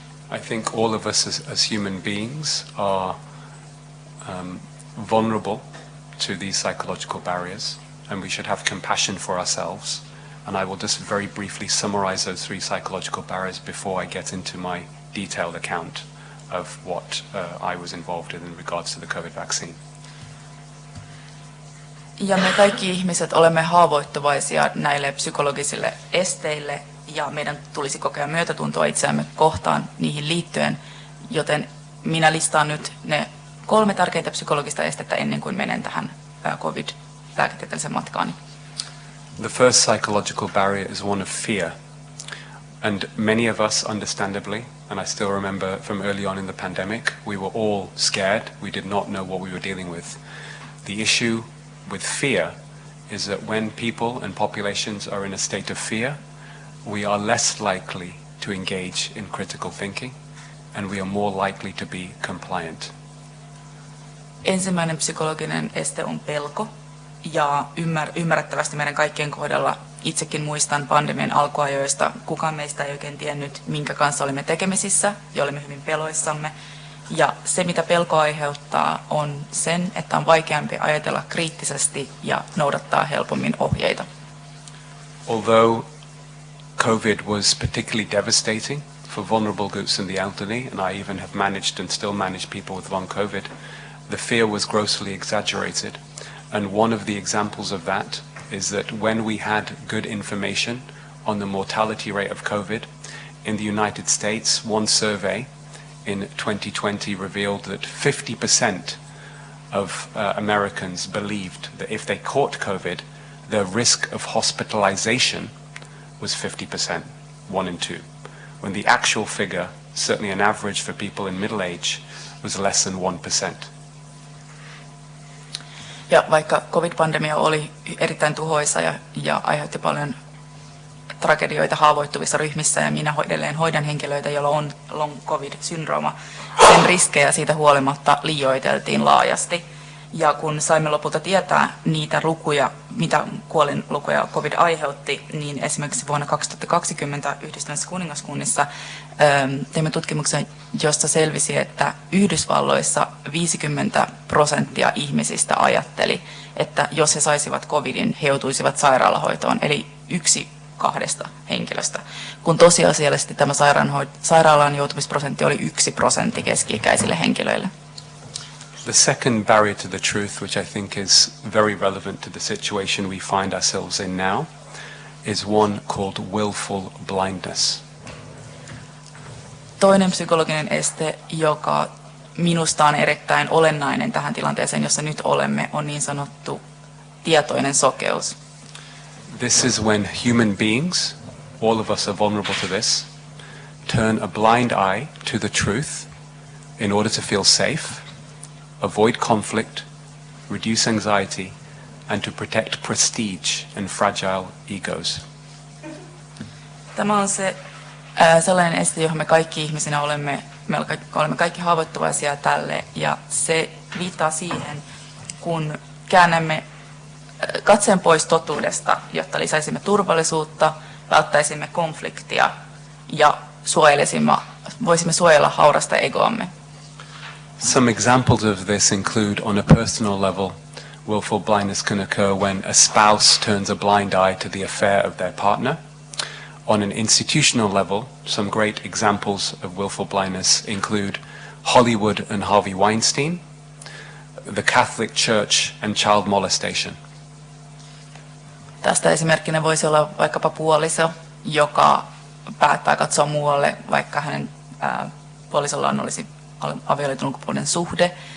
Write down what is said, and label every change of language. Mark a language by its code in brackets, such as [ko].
[en] I think all of us as human beings are vulnerable to these psychological barriers, and we should have compassion for ourselves. And I will just very briefly summarize those 3 psychological barriers before I get into my detailed account of what I was involved in regards to the COVID vaccine. [fi] Ja me kaikki ihmiset olemme haavoittuvaisia näille psykologisille esteille, ja meidän tulisi kokea myötätuntoa itseämme kohtaan niihin liittyen, joten minä listaan nyt ne 3 tärkeintä psykologista estettä ennen kuin menen tähän COVID-lääketieteelliseen matkaani. [en] The first psychological barrier is one of fear. And many of us, understandably, and I still remember from early on in the pandemic, we were all scared. We did not know what we were dealing with. The issue with fear is that when people and populations are in a state of fear, we are less likely to engage in critical thinking, and we are more likely to be compliant. [fi] Ensimmäinen psykologinen este on pelko. Ja ymmärrettävästi meidän kaikkien kohdalla, itsekin muistan pandemian alkuajoista, kukaan meistä ei oikein tiennyt, minkä kanssa olimme tekemisissä ja olimme hyvin peloissamme. Ja se, mitä pelko aiheuttaa, on sen, että on vaikeampi ajatella kriittisesti ja noudattaa helpommin ohjeita. [en] Although COVID was particularly devastating for vulnerable groups and the elderly, and I even have managed and still manage people with long COVID, the fear was grossly exaggerated. And one of the examples of that is that when we had good information on the mortality rate of COVID in the United States. One survey in 2020 revealed that 50% of Americans believed that if they caught COVID, their risk of hospitalization was 50%, one in two, when the actual figure, certainly an average for people in middle age, was less than 1%. [fi] Ja vaikka COVID-pandemia oli erittäin tuhoisa ja aiheutti paljon tragedioita haavoittuvissa ryhmissä ja minä edelleen hoidan henkilöitä, joilla on long COVID-syndrooma, sen riskejä siitä huolimatta liioiteltiin laajasti. Ja kun saimme lopulta tietää niitä lukuja, mitä kuolinlukuja COVID aiheutti, niin esimerkiksi vuonna 2020 Yhdistyneessä kuningaskunnissa teimme tutkimuksen, josta selvisi, että Yhdysvalloissa 50% ihmisistä ajatteli, että jos he saisivat COVIDin, he joutuisivat sairaalahoitoon, eli yksi kahdesta henkilöstä. Kun tosiasiallisesti tämä sairaalaan joutumisprosentti oli 1% keski-ikäisille henkilöille. [en] The second barrier to the truth, which I think is very relevant to the situation we find ourselves in now, is one called willful blindness. [fi] Toinen psykologinen este, joka minusta on erittäin olennainen tähän tilanteeseen, jossa nyt olemme, on niin sanottu tietoinen sokeus. [en] This is when human beings, all of us are vulnerable to this, turn a blind eye to the truth in order to feel safe, avoid conflict, reduce anxiety, and to protect prestige and fragile egos. [fi] Tämä on se sellainen este, johon me kaikki ihmisinä olemme, olemme kaikki haavoittuvaisia tälle, ja se viittaa siihen, kun käännämme katseen pois totuudesta, jotta lisäisimme turvallisuutta, välttäisimme konfliktia ja voisimme suojella haurasta egoamme. [en] Some examples of this include, on a personal level, willful blindness can occur when a spouse turns a blind eye to the affair of their partner. On an institutional level, some great examples of willful blindness include Hollywood and Harvey Weinstein, the Catholic Church and child molestation. [fi] Tästä esimerkkinä voisi olla vaikkapa puoliso, joka päättää katsoa muualle, vaikka hänen puolisollaan olisi avioliiton ulkopuolinen suhde.